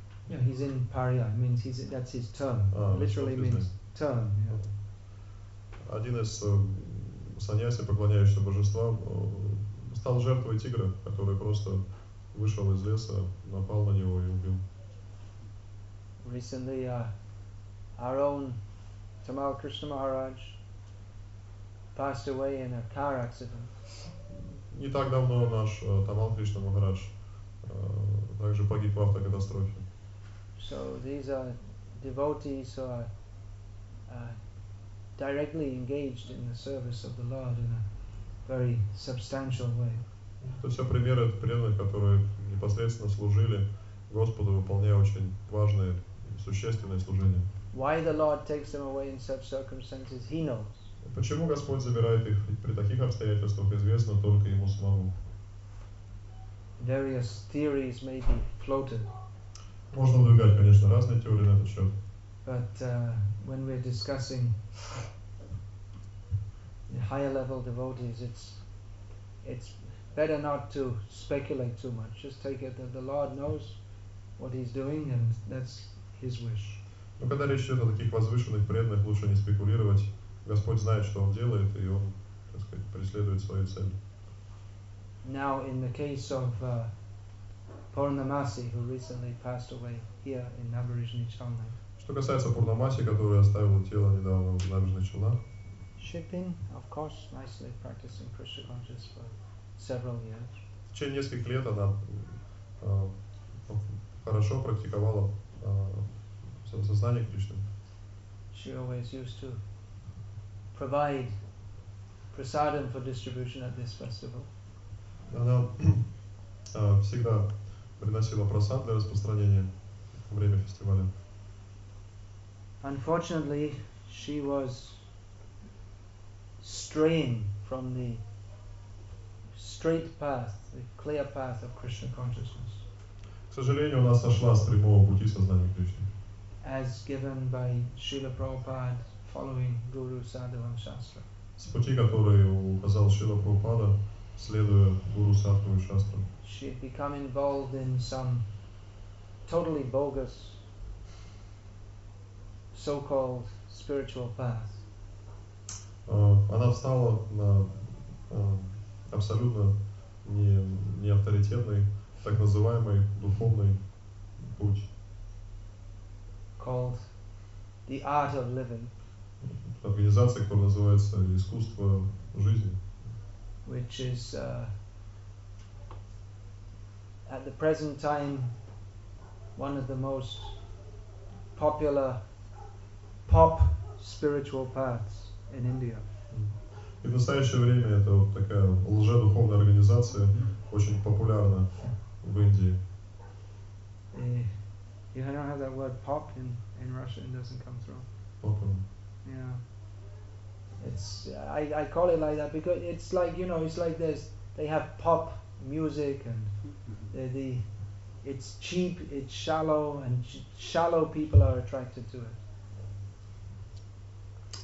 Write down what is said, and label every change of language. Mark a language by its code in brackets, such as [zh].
[en] Yeah, he's in Парьяй, means he's, that's his term. Literally means term. Yeah. [ru] Один из саньяси, поклоняющийся божеству, стал жертвой тигра, который просто вышел из леса, напал на него и убил. [en] Recently, our own Tamal Krishna Maharaj passed away in a car accident. [ru] Не так давно наш Tamal Krishna Maharaj также погиб в автокатастрофе. [en] So these are devotees who are directly engaged in the service of the Lord in a very substantial way. [ru] То есть примеры преданных, которые непосредственно служили Господу, выполняя очень важное существенное служение. [en] Why the Lord takes them away in such circumstances, he knows. [ru] Почему Господь забирает их при таких обстоятельствах, известно только ему самому. [en] Various theories may be floated. [ru] Можно выдвигать, конечно, разные теории на этот счет. [en] But when we're discussing the higher level devotees, it's better not to speculate too much. Just take it that the Lord knows what he's doing and that's his wish. [ru] Но когда речь идет о таких возвышенных преданных, лучше не спекулировать. Господь знает, что он делает, и он, так сказать, преследует свою цель. [en] Now in the case of Purnamasi, who recently passed away here in Набережный Челнах. [ru] Что касается Пурнамаси, которая оставила тело недавно в Набережный Челнах. [en] She'd been, of course, nicely practicing Krishna consciousness for several years. [ru] В течение нескольких лет она хорошо практиковала сознание Кришны. [en] She always used to provide prasadam for distribution at this festival. [ru] Она всегда приносила просад для распространения во время фестиваля. [en] Unfortunately, she was straying from the straight path, the clear path of Krishna consciousness. [ru] К сожалению, она сошла с прямого пути сознания Кришны. [en] As given by Srila Prabhupada following Guru Sadhavam Shastra. [ru] С пути, который указал Шрила Прабхупада, следуя Гуру Садхаву Шастру. [en] She had become involved in some totally bogus so-called spiritual path. [ru] Она встала на абсолютно не авторитетный, так называемый духовный путь. [en] Called the art of living. [ru] Организация, которая называется «Искусство жизни». [en] Which is at the present time one of the most popular pop spiritual paths in India. [ru] И в настоящее время это вот такая лжедуховная организация, очень популярна в Индии. [en] You don't have that word pop in Russian, it doesn't come through. Pop. Yeah. It's I call it like that because it's like, you know, it's like this, they have pop music and the it's cheap, it's shallow, and shallow people are attracted to it.